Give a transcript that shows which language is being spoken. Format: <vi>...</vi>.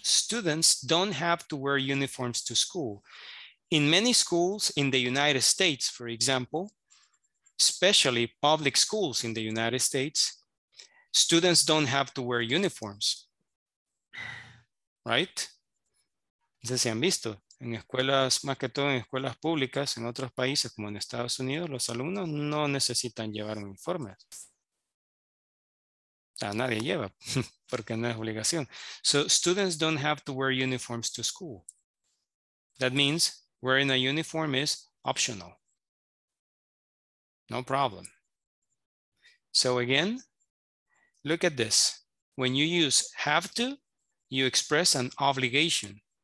<en>Students don't have to wear uniforms to school. In many schools in the United States, for example, especially public schools in the United States, students don't have to wear uniforms.</en> <es>Right? No sé si han visto. En escuelas, más que todo en escuelas públicas, en otros países como en Estados Unidos, los alumnos no necesitan llevar uniformes. A nadie lleva, porque no es obligación.</es> <en>So, students don't have to wear uniforms to school. That means wearing a uniform is optional. No problem. So, again, look at this. When you use have to, you express an obligation.</en>